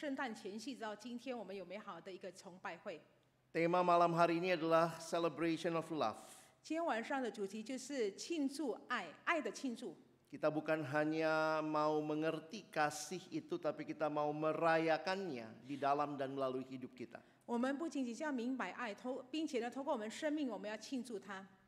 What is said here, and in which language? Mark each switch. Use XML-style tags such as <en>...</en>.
<zh>感谢主，我们一同可以来，有美好的时刻，我们可以从圣诞前夕到今天，我们有美好的一个崇拜会。</zh> <id>Tema malam hari ini adalah Celebration of Love.</id> <zh>今天晚上的主题就是庆祝爱，爱的庆祝。</zh> <id>Kita bukan hanya mau mengerti kasih itu, tapi kita mau merayakannya di dalam dan melalui hidup kita.</id> <zh>我们不仅仅要明白爱，并且呢，透过我们生命，我们要庆祝它。</zh>